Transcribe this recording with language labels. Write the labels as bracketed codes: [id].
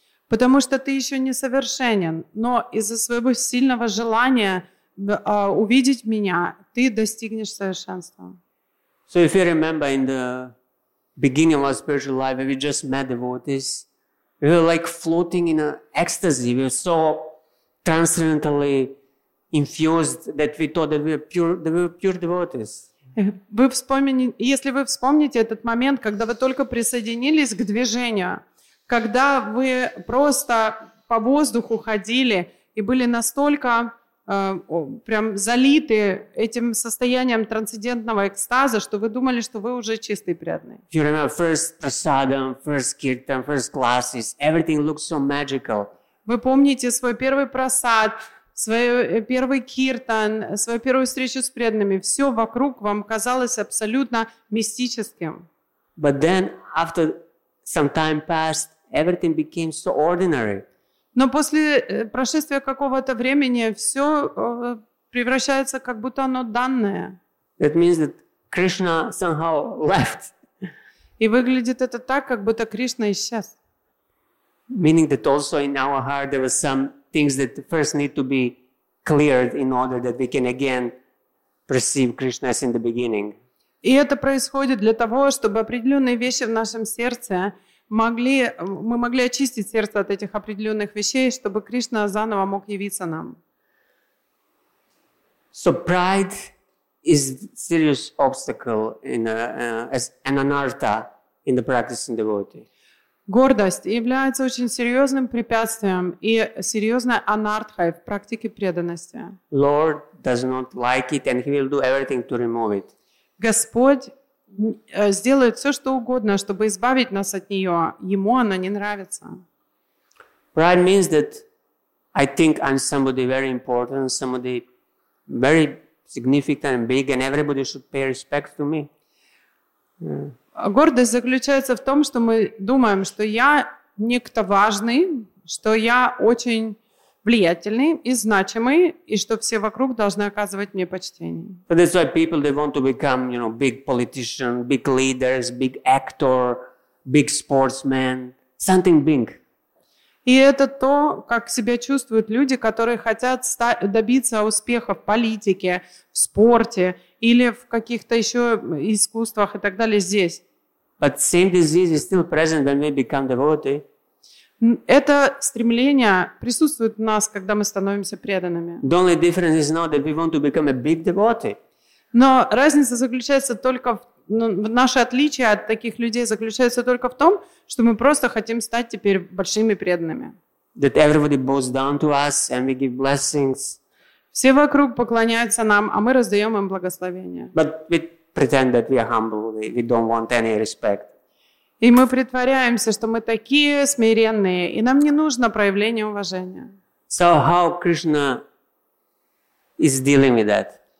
[ru] Потому что ты еще не совершенен, но из-за своего сильного желания увидеть меня, ты достигнешь совершенства. [en] So if you remember in the beginning of our spiritual life, we just met devotees, we were like floating in an ecstasy. We were so transcendentally infused that we thought that we were pure devotees. [ru] Если вы вспомните этот момент, когда вы только присоединились к движению, когда вы просто по воздуху ходили и были настолько прям залиты этим состоянием трансцендентного экстаза, что вы думали, что вы уже чистый и преданный. [en] You remember first prasadam, first kirtan, first classes. Everything looks so magical. [ru] Вы помните свой первый прасад, свой первый киртан, свою первую встречу с преданными. Все вокруг вам казалось абсолютно мистическим. [en] But then, after some time passed, everything became so ordinary. [ru] Но после прошествия какого-то времени все превращается, как будто оно данное. [en] That means that Krishna somehow left. [ru] И выглядит это так, как будто Кришна исчез. [en] Meaning that also in our heart there were some things that first need to be cleared in order that we can again perceive Krishna as in the beginning. [ru] И это происходит для того, чтобы определенные вещи в нашем сердце мы могли очистить сердце от этих определенных вещей, чтобы Кришна заново мог явиться нам. [en] So pride is serious obstacle in as an anartha in the practicing devotee. [ru] Гордость является очень серьезным препятствием и серьезной анартхой в практике преданности. [en] Lord does not like it, and he will do everything to remove it. [ru] Господь сделает все, что угодно, чтобы избавить нас от нее. Ему она не нравится. [en] Pride means that I think I'm somebody very important, somebody very significant and big, and everybody should pay respect to me. Yeah. [ru] Гордость заключается в том, что мы думаем, что я некто важный, что я очень влиятельный и значимый, и что все вокруг должны оказывать мне почтение. [en] But that's why people, they want to become, you know, big politician, big leaders, big actor, big sportsman, something big. [ru] И это то, как себя чувствуют люди, которые хотят добиться успеха в политике, в спорте или в каких-то еще искусствах и так далее здесь. [en] But same disease is still present when we become devotee. [ru] Это стремление присутствует в нас, когда мы становимся преданными. [en] The only difference is not that we want to become a big devotee. [ru] Но разница заключается только в, наше отличие от таких людей заключается только в том, что мы просто хотим стать теперь большими преданными. [en] That everybody bows down to us and we give blessings. [ru] Все вокруг поклоняются нам, а мы раздаем им благословения. [en] But we pretend that we are humble. We don't want any respect. [ru] И мы притворяемся, что мы такие смиренные, и нам не нужно проявление уважения. [en] So how Krishna is dealing with that?